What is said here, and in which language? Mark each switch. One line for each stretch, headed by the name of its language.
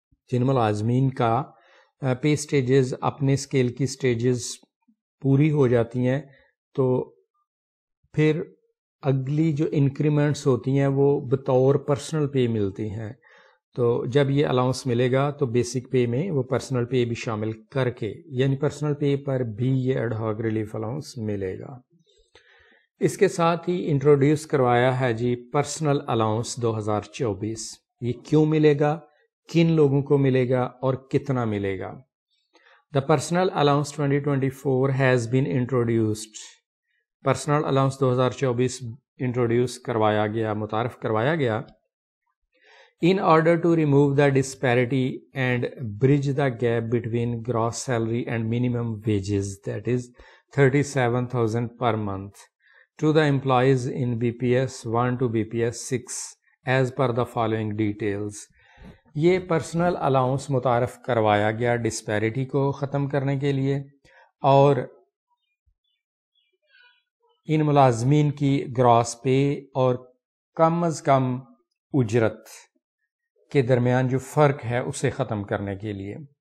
Urdu: جن ملازمین کا پے سٹیجز اپنے سکیل کی سٹیجز پوری ہو جاتی ہیں تو پھر اگلی جو انکریمنٹس ہوتی ہیں وہ بطور پرسنل پے ملتی ہیں, تو جب یہ الاؤنس ملے گا تو بیسک پے میں وہ پرسنل پے بھی شامل کر کے, یعنی پرسنل پے پر بھی یہ ایڈ ہاک ریلیف الاؤنس ملے گا. اس کے ساتھ ہی انٹروڈیوس کروایا ہے جی پرسنل الاؤنس 2024, یہ کیوں ملے گا, کن لوگوں کو ملے گا اور کتنا ملے گا.
English: the personal allowance 2024 has been introduced, personal allowance 2024
Urdu: introduce کروایا گیا, متعارف کروایا گیا,
English: In order to remove the disparity and bridge the gap between gross salary and minimum wages, that is 37,000 per month to the employees in B P S 1 to B P S 6 as per the following details.
Urdu: یہ personal allowance متعارف کروایا گیا ڈسپیریٹی کو ختم کرنے کے لیے اور ان ملازمین کی گراس پے اور کم از کم اجرت کے درمیان جو فرق ہے اسے ختم کرنے کے لیے.